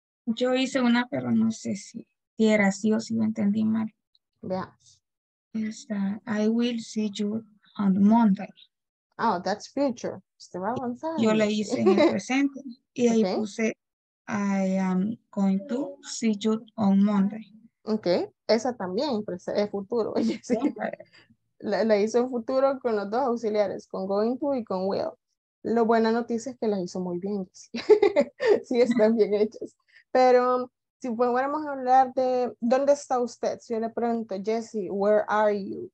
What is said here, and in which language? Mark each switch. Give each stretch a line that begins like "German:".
Spanish: Yo hice una, pero no sé si era así o si lo entendí mal. Veamos.
English: I will see you on Monday. Oh, that's future.
Spanish: Se va avanzando. Yo la hice en el presente y ahí okay. Puse
English: I am going to see you on Monday.
Spanish: Ok, esa también es futuro. Sí. La hizo en futuro con los dos auxiliares, con going to y con will. La buena noticia es que la hizo muy bien. Sí, sí están bien hechas. Pero si fuéramos a hablar de dónde está usted, si yo le pregunto, Jesse,
English: where are you?